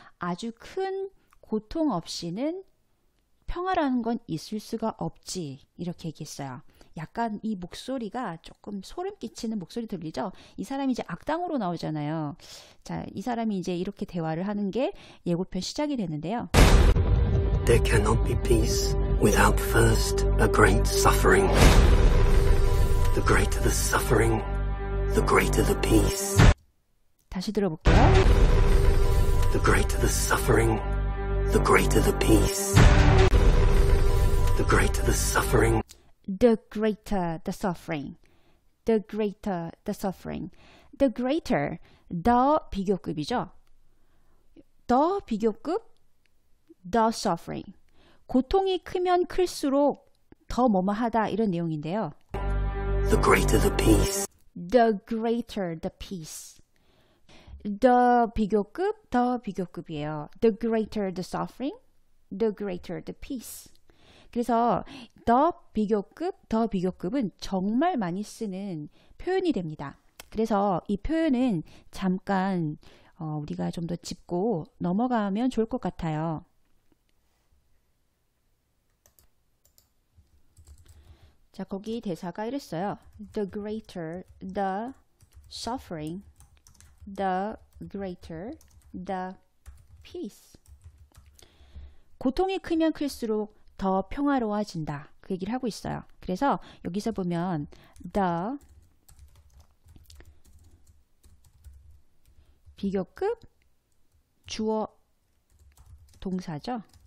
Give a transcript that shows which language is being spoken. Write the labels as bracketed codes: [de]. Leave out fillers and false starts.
[ko] 아주 큰 고통 없이는 평화라는 건 있을 수가 없지. 이렇게 얘기했어요. 약간 이 목소리가 조금 소름 끼치는 목소리 들리죠? 이 사람이 이제 악당으로 나오잖아요. 자, 이 사람이 이제 이렇게 대화를 하는 게 예고편 시작이 되는데요. [en] There cannot be peace without first a great suffering. The greater the suffering, the greater the peace. [ko] 다시 들어볼게요. [en] The greater the suffering, the greater the peace. The greater the suffering. The greater the suffering. The greater the suffering. The greater, the [ko] 비교급이죠? [en] The 비교급, the suffering. [ko] 고통이 크면 클수록 더 뭐뭐하다 이런 내용인데요. [en] The greater the peace. The greater the peace. The 비교급, the [ko] 비교급이에요. [en] The greater the suffering, the greater the peace. [ko] 그래서 더 비교급은 정말 많이 쓰는 표현이 됩니다. 그래서 이 표현은 잠깐 우리가 좀더 짚고 넘어가면 좋을 것 같아요. 자, 거기 대사가 이랬어요. [en] The greater the suffering, the greater the peace. [ko] 고통이 크면 클수록 더 평화로워진다. 그 얘기를 하고 있어요. 그래서 여기서 보면 the 비교급 주어 동사죠.